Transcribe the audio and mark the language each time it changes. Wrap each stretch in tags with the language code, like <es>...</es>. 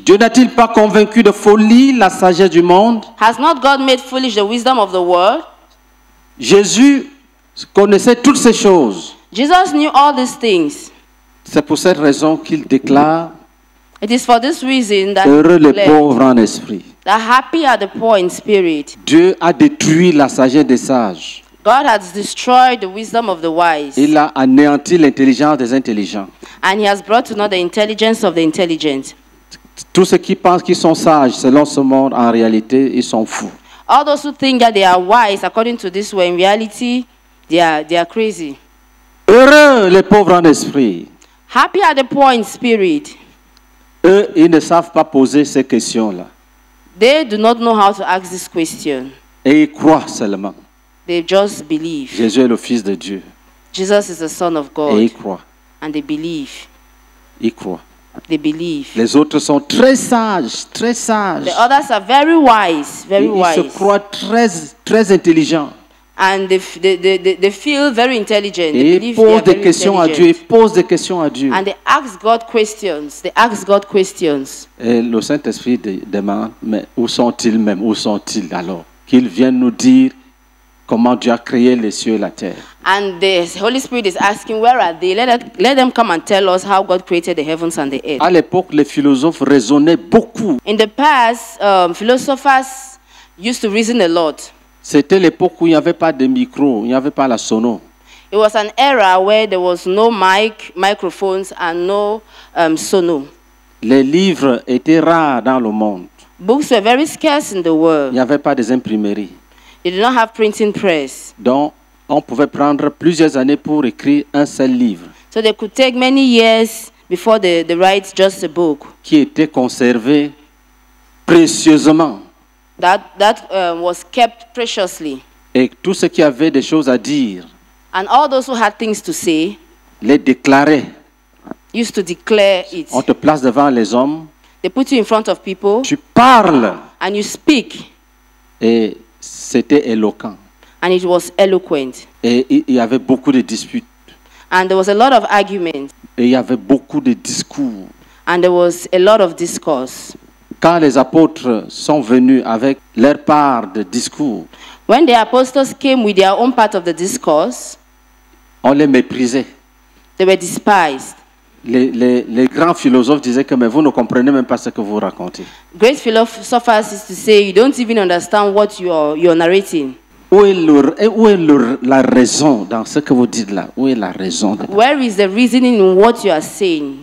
<fr>Dieu n'a-t-il pas convaincu de folie la sagesse du monde?</fr> <en>Has not God made foolish the wisdom of the world?</en> <fr>Jésus connaissait toutes ces choses.</fr> <en>Jesus knew all these things.</en> <fr>C'est pour cette raison qu'il déclare</fr> <en>It is for this reason that</en> <fr>heureux les pauvres en esprit.</fr> <en>That happy are the poor in spirit.</en> <fr>Dieu a détruit la sagesse des sages.</fr> <en>God has destroyed the wisdom of the wise.</en> <fr>Il a anéanti l'intelligence des intelligents.</fr> <en>And he has brought to naught the intelligence of the intelligent.</en> <fr>Tous ceux qui pensent qu'ils sont sages, selon ce monde, en réalité, ils sont fous.</fr> <en>All those who think that they are wise, according to this way, in reality, they are crazy.</en> <fr>Heureux les pauvres en esprit.</fr> <en>Happy are the poor in spirit.</en> <fr>Eux, ils ne savent pas poser ces questions-là.</fr> <en>They do not know how to ask this question.</en> <fr>Et ils croient seulement.</fr> <en>They just believe.</en> <fr>Jésus est le Fils de Dieu.</fr> <en>Jesus is the Son of God.</en> <fr>Et ils croient.</fr> <en>And they believe.</en> <fr>Ils croient.</fr> <en>They believe.</en> <fr>Les autres sont très sages, très sages.</fr> <en>The others are very wise, very</en> <fr>ils</fr> <en>wise.</en> <fr>Ils se croient très, très intelligents.</fr> <en>And they feel very intelligent.</en> <fr>Et ils posent des questions à Dieu. Ils posent des questions à Dieu.</fr> <en>And they ask God questions. They ask God questions.</en> <fr>Et le Saint-Esprit demande, mais où sont-ils même? Où sont-ils alors? Qu'ils viennent nous dire comment Dieu a créé les cieux et la terre.</fr> <en>And the Holy Spirit is asking, where are they? Let them come and tell us how God created the heavens and the earth.</en> <fr>À l'époque, les philosophes raisonnaient beaucoup.</fr> <en>In the past, philosophers used to reason a lot.</en> <fr>C'était l'époque où il n'y avait pas de micro, il n'y avait pas la sono.</fr> <en>It was an era where there was no microphones and no sono.</en> <fr>Les livres étaient rares dans le monde.</fr> <en>Books were very scarce in the world.</en> <fr>Il n'y avait pas des imprimeries.</fr> <en>They did not have printing press.</en> <fr>Donc, on pouvait prendre plusieurs années pour écrire un seul livre.</fr> <en>So they could take many years before they write just a book.</en> <fr>Qui était conservé précieusement.</fr> <en>That was kept preciously.</en> <fr>Et tous ceux qui avaient des choses à dire.</fr> <en>And all those who had things to say.</en> <fr>Les déclaraient.</fr> <en>Used to declare it.</en> <fr>On te place devant les hommes.</fr> <en>They put you in front of people.</en> <fr>Tu parles.</fr> <en>And you speak.</en> <fr>Et c'était éloquent.</fr> <en>And it was eloquent.</en> <fr>Et il y avait beaucoup de disputes.</fr> <en>And there was a lot of arguments.</en> <fr>Et il y avait beaucoup de discours.</fr> <en>And there was a lot of discourse.</en> <fr>Quand les apôtres sont venus avec leur part de discours,</fr> <en>when the apostles came with their own part of the discourse,</en> <fr>on les méprisait.</fr> <en>They were despised.</en> <fr>Les grands philosophes disaient que mais vous ne comprenez même pas ce que vous racontez.</fr> <en>Great philosophers used to say you don't even understand what you're narrating.</en> <fr>Où est la raison dans ce que vous dites là? Où est la raison?</fr> <en>Where is the reasoning in what you are saying?</en>